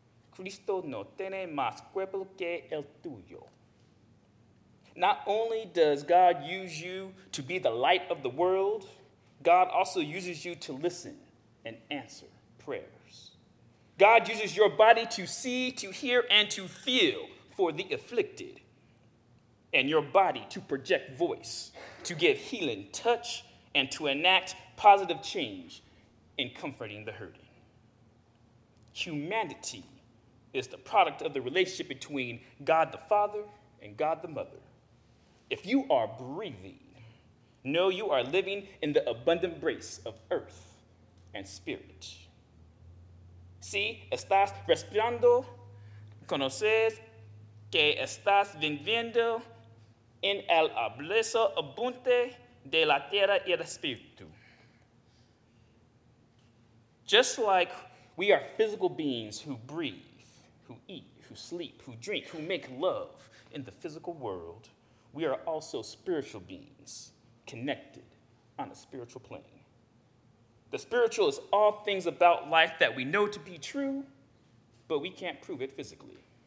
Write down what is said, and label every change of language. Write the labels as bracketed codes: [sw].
[es] Cristo no tiene más cuerpo que el tuyo. [en] Not only does God use you to be the light of the world, God also uses you to listen and answer prayers. God uses your body to see, to hear, and to feel for the afflicted, and your body to project voice, to give healing touch, and to enact positive change in comforting the hurting. Humanity is the product of the relationship between God the Father and God the Mother. If you are breathing, know you are living in the abundant grace of earth and spirit. [es] Si estás respirando, conoces que estás viviendo en el abrazo abundante de la tierra y el espíritu. [en] Just like we are physical beings who breathe, who eat, who sleep, who drink, who make love in the physical world, we are also spiritual beings connected on a spiritual plane. The spiritual is all things about life that we know to be true, but we can't prove it physically.